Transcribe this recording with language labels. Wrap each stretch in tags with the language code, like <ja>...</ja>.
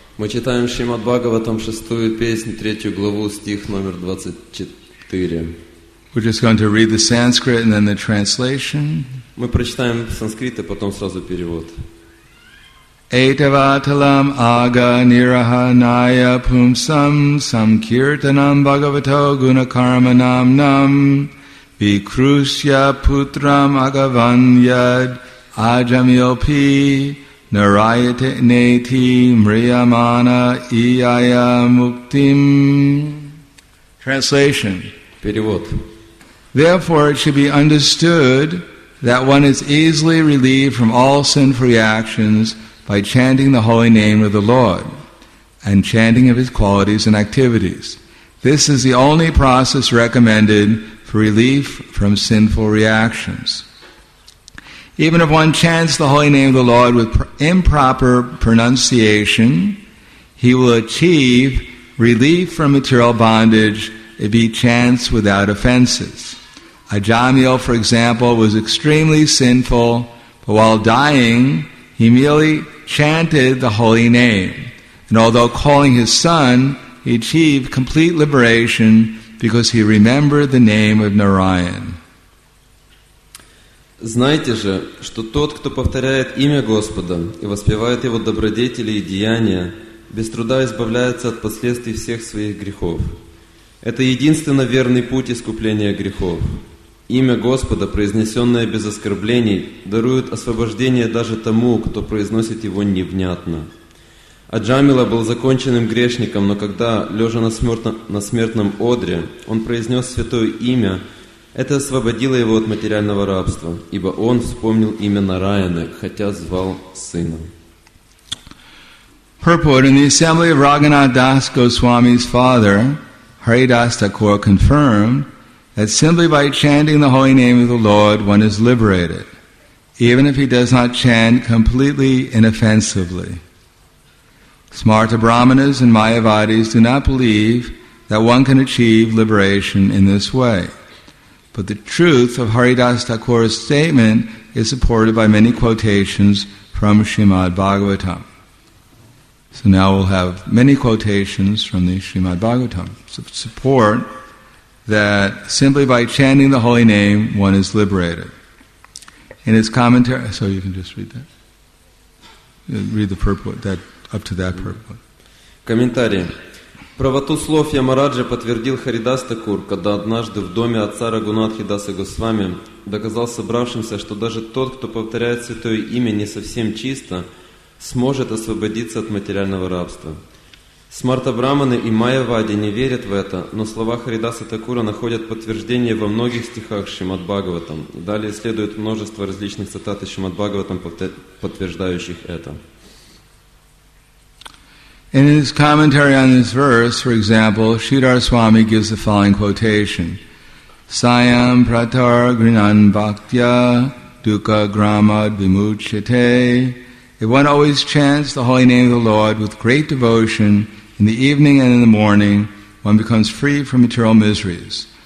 <ru>Мы читаем Шримад Бхагаватам шестую песню, третью главу, стих номер 24.</ru> <en>We're just going to read the Sanskrit and then the translation.</en> <ru>Мы прочитаем санскрит и потом сразу перевод.</ru> <sa>Этаваталам ага нираха ная пумсам самкиртанам бхагавато гунакарманам нам викрусья путрам агаваньяд аджамьопи Narayate neti mriyamana iaya muktim.</sa> <en>Translation.</en> <ru>Перевод.</ru> <en>Therefore, it should be understood that one is easily relieved from all sinful reactions by chanting the holy name of the Lord and chanting of his qualities and activities. This is the only process recommended for relief from sinful reactions. Even if one chants the holy name of the Lord with improper pronunciation, he will achieve relief from material bondage if he chants without offenses. Ajamil, for example, was extremely sinful, but while dying, he merely chanted the holy name. And although calling his son, he achieved complete liberation because he remembered the name of Narayan.</en> <ru>Знайте же, что тот, кто повторяет имя Господа и воспевает его добродетели и деяния, без труда избавляется от последствий всех своих грехов. Это единственно верный путь искупления грехов. Имя Господа, произнесенное без оскорблений, дарует освобождение даже тому, кто произносит его невнятно. Аджамила был законченным грешником, но когда, лежа на смертном одре, он произнес святое имя, это освободило его от материального рабства, ибо он вспомнил имя Нараяны, хотя звал сына.</ru> <en>Purport. In the assembly of Raghunath Das Goswami's father, Haridas Thakur confirmed that simply by chanting the holy name of the Lord, one is liberated, even if he does not chant completely inoffensively. Smarta Brahmanas and Mayavadis do not believe that one can achieve liberation in this way. But the truth of Haridas Thakura's statement is supported by many quotations from Srimad Bhagavatam. So now we'll have many quotations from the Srimad Bhagavatam to support that simply by chanting the holy name, one is liberated. In its commentary, so you can just read that. Read the purport, that up to that purport. Commentary.</en> <ru>Правоту слов Ямараджа подтвердил Харидас Такур, когда однажды в доме отца Рагунатхи Даса Госвами доказал собравшимся, что даже тот, кто повторяет святое имя не совсем чисто, сможет освободиться от материального рабства. Смарта-брахманы и майя-вади не верят в это, но слова Харидаса Такура находят подтверждение во многих стихах Шримад-Бхагаватам. Далее следует множество различных цитат из Шримад-Бхагаватам, подтверждающих это.</ru> <en>In his commentary on this verse, for example, Sridhar Swami gives the following quotation.</en> <sa>Sayam pratar grinan bhaktya dukkha gramad vimuchyate.</sa> <en>If one always chants the holy name of the Lord with great devotion in the evening and in the morning, one becomes free from material miseries.</en>